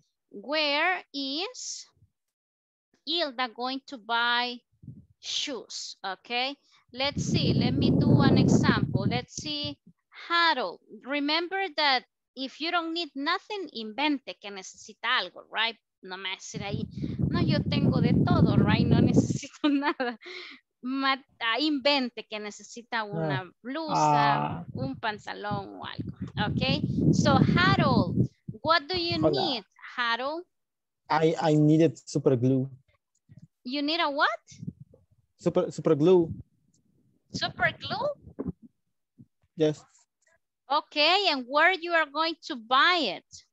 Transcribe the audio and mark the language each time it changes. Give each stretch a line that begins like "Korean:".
English: Where is Hilda going to buy shoes? Okay, let's see, let me do an example. Let's see, Harold, remember that if you don't need nothing,
Spanish: invente que necesita algo,
English: right?
Spanish: No me decir ahí, no, yo tengo de todo, right? No necesito nada. Invente que necesita una blusa, un pantalón o algo.
English: Okay, so Harold, what do you need, Harold? I needed super glue. You need a what? Super glue. Super glue? Yes. Okay, and where you are going to buy it?